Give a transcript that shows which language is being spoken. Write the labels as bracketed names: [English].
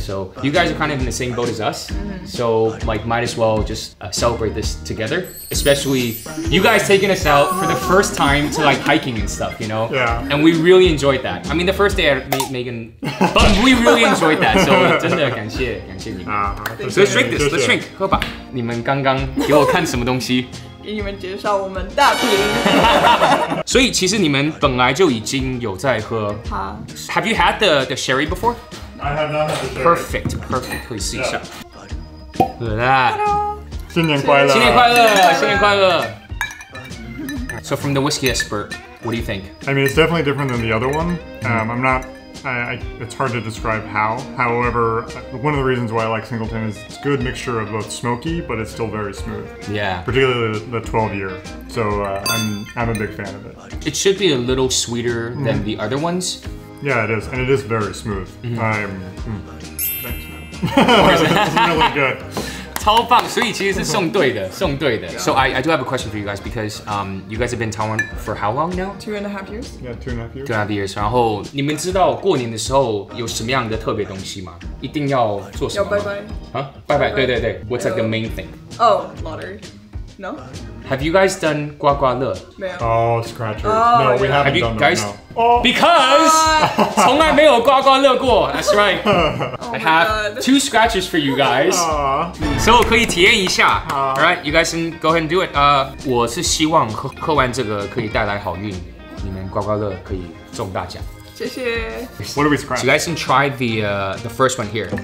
[English] So you guys are kind of in the same boat as us. So like, might as well just celebrate this together. Especially you guys taking us out for the first time to like hiking and stuff, you know? Yeah. And we really enjoyed that. I mean, the first day I met Megan, but we really enjoyed that. [Chinese] So 真的感谢感谢你。好。 [English] Let's drink this. Let's drink. [Chinese] 喝吧。你们刚刚给我看什么东西？给你们介绍我们大瓶。所以其实你们本来就已经有在喝。好。 [English] Have you had the sherry before? I have not had the sherry. Perfect. Perfect. [Chinese] 可以试一下。 [English] Look at that. [Chinese] 新年快乐！新年快乐！新年快乐！ [English] So from the whiskey expert, what do you think? I mean, it's definitely different than the other one. I'm not. It's hard to describe how. However, one of the reasons why I like Singleton is it's a good mixture of both smoky, but it's still very smooth. Yeah. Particularly the 12 year. So I'm a big fan of it. It should be a little sweeter than the other ones. Yeah, it is, and it is very smooth. Thanks, man. It's really good. [Chinese] 超棒，所以其实是送对的，送对的。 [English] So I do have a question for you guys because you guys have been Taiwan for how long now? Two and a half years. Yeah, two and a half years. Two and a half years. [Chinese] 然后你们知道过年的时候有什么样的特别东西吗？一定要做什么？要拜拜。啊，拜拜。对对对。 [English] What's like the main thing? Oh, lottery. No. Have you guys done 刮刮乐？ [Chinese] 没有。 [English] Oh, scratchers. No, we haven't done that. Have you guys? Because [Chinese] 从来没有刮刮乐过。 [English] That's right. I have two scratchers for you guys. So [Chinese] 可以体验一下。 [English] All right, you guys can go ahead and do it. [Chinese] 我是希望喝完这个可以带来好运，你们刮刮乐可以中大奖。谢谢。 [English] What are we scratching? You guys can try the first one here.